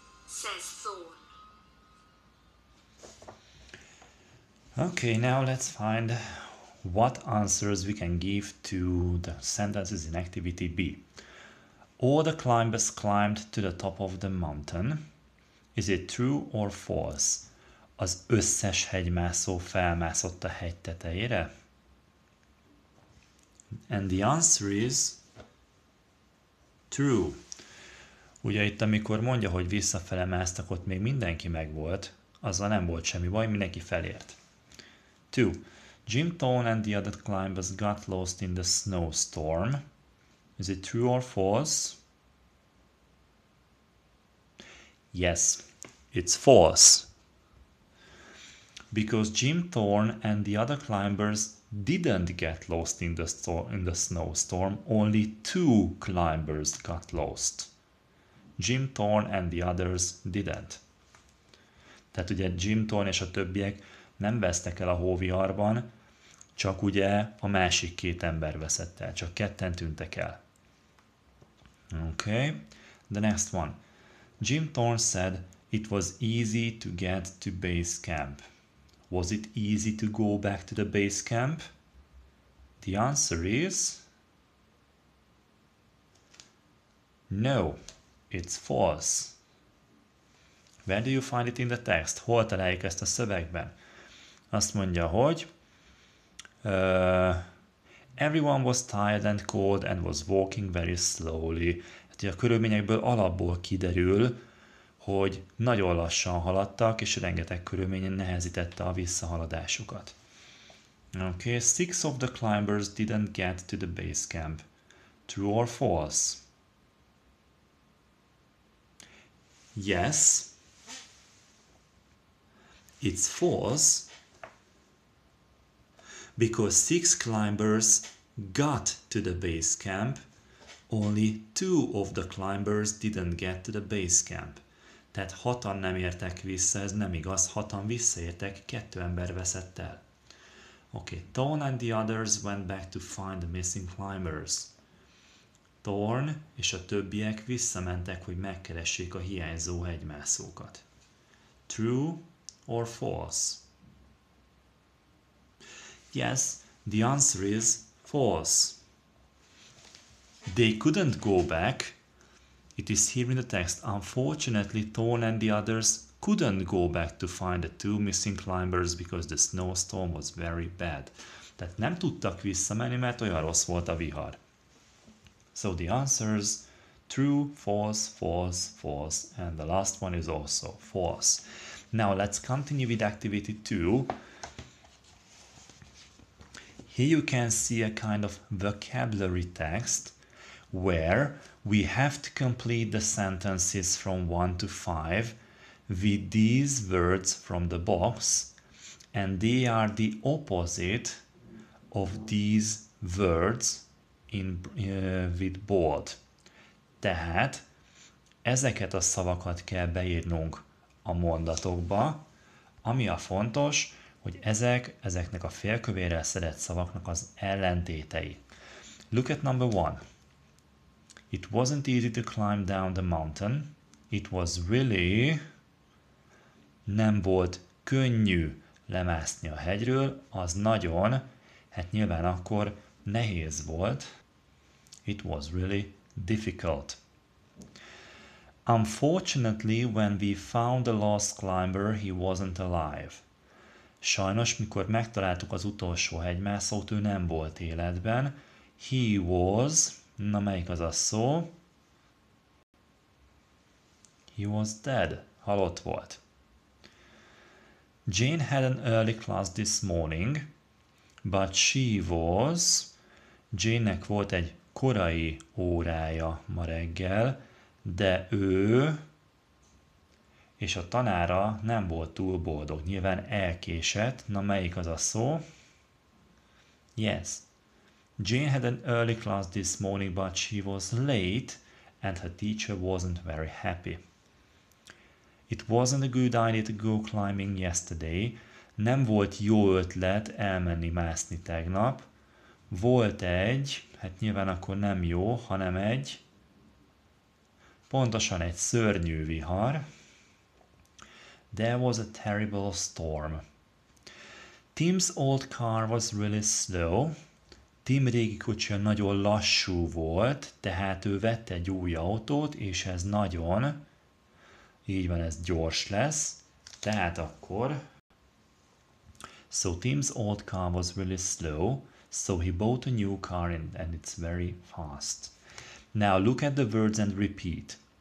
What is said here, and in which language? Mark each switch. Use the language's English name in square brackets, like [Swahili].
[English] says Thorn. Okay, now let's find what answers we can give to the sentences in activity B. All the climbers climbed to the top of the mountain. Is it true or false? [Hungarian] Az összes hegymászó felmászott a hegy tetejére? [English] And the answer is true. [Hungarian] Ugye itt, amikor mondja, hogy visszafele másztak, ott még mindenki megvolt, azzal nem volt semmi baj, mindenki felért. [English] 2. Jim Thorne and the other climbers got lost in the snowstorm. Is it true or false? Yes, it's false. Because Jim Thorne and the other climbers didn't get lost in the snowstorm, only 2 climbers got lost. Jim Thorne and the others didn't. [Hungarian] Tehát ugye Jim Thorne és a többiek nem vesztek el a hóviharban, csak ugye a másik 2 ember veszett el, csak 2 tűntek el. [English] Okay, the next one. Jim Thorne said it was easy to get to base camp. Was it easy to go back to the base camp? The answer is no, it's false. Where do you find it in the text? [Hungarian] Hol találjuk ezt a szövegben? Azt mondja, hogy [English] everyone was tired and cold and was walking very slowly. [Hungarian] Hát a körülményekből alapból kiderül, hogy nagyon lassan haladtak, és rengeteg körülmény nehezítette a visszahaladásukat. [English] Okay, 6 of the climbers didn't get to the base camp. True or false? Yes. It's false. Because 6 climbers got to the base camp, only 2 of the climbers didn't get to the base camp. [Hungarian] Tehát 6 nem értek vissza, ez nem igaz, 6 visszaértek, 2 ember veszett el. [English] Okay, Thorne and the others went back to find the missing climbers. [Hungarian] Thorne és a többiek visszamentek, hogy megkeressék a hiányzó hegymászókat. [English] True or false? Yes, the answer is false. They couldn't go back. It is here in the text. Unfortunately, Thorne and the others couldn't go back to find the 2 missing climbers because the snowstorm was very bad. [Hungarian] Tehát nem tudtak visszamenni, mert olyan rossz volt a vihar. [English] So the answers, true, false, false, false, and the last one is also false. Now let's continue with activity 2. Here you can see a kind of vocabulary text where we have to complete the sentences from 1 to 5 with these words from the box, and they are the opposite of these words with bold. [Hungarian] Tehát ezeket a szavakat kell beírnunk a mondatokba, ami a fontos, hogy ezeknek a félkövérrel szedett szavaknak az ellentétei. [English] Look at number 1. It wasn't easy to climb down the mountain. It was really... [Hungarian] Nem volt könnyű lemászni a hegyről, az nagyon, hát nyilván akkor nehéz volt. [English] It was really difficult. Unfortunately, when we found the last climber, he wasn't alive. [Hungarian] Sajnos, mikor megtaláltuk az utolsó hegymászót, ő nem volt életben. [English] He was, [Hungarian] na melyik az a szó? [English] He was dead. [Hungarian] Halott volt. [English] Jane had an early class this morning, but she was... [Hungarian] Jane-nek volt egy korai órája ma reggel, de ő... És a tanára nem volt túl boldog. Nyilván elkésett. Na, melyik az a szó? [English] Yes. Jane had an early class this morning, but she was late and her teacher wasn't very happy. It wasn't a good idea to go climbing yesterday. [Hungarian] Nem volt jó ötlet elmenni mászni tegnap. Volt egy, hát nyilván akkor nem jó, hanem egy, pontosan egy szörnyű vihar. [English] There was a terrible storm. Tim's old car was really slow. [Hungarian] Tim régi kocsia nagyon lassú volt, tehát ő vette egy új autót, és ez nagyon, így van, ez gyors lesz. Tehát akkor... [English] So Tim's old car was really slow, so he bought a new car and it's very fast. Now look at the words and repeat.